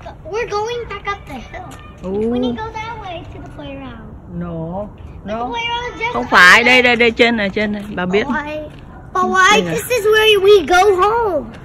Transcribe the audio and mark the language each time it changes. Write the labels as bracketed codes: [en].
[en] We're going back up the hill. We need to go that way to the playground. No. [vi] Đâu? Không phải, đây đây đây, trên này, trên này. Bà biết. [en] But why this is where we go home?